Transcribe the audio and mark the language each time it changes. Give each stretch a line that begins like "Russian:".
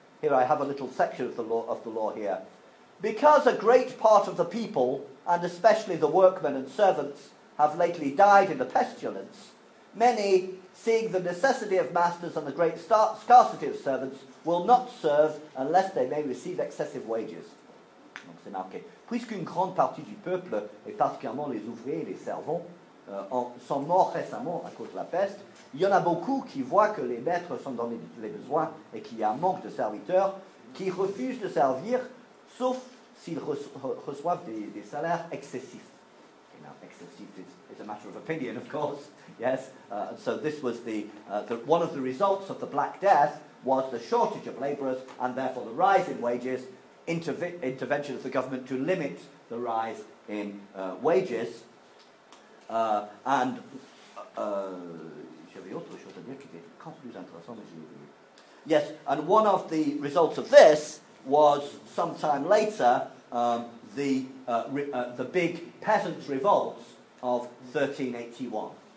English: Here I have a little section of the law here. Because a great part of the people, and especially the workmen and servants, have lately died in the pestilence, many, seeing the necessity of masters and the great scarcity of servants, will not serve unless they may receive excessive wages.
French: Donc c'est marqué. Puisqu'une grande partie du peuple, et particulièrement les ouvriers et les servants, sont morts récemment à cause de la peste, il y en a beaucoup qui voient que les maîtres sont dans les besoins et qu'il y a un manque de serviteurs, qui refusent de servir, sauf s'ils reçoivent des salaires excessifs.
English: Okay, now, excessif is a matter of opinion, of course. Yes. So this was the one of the results of the Black Death was the shortage of labourers and therefore the rise in wages. intervention of the government to limit the rise in wages. Yes, and one of the results of this was sometime later the big peasants' revolt of 1381.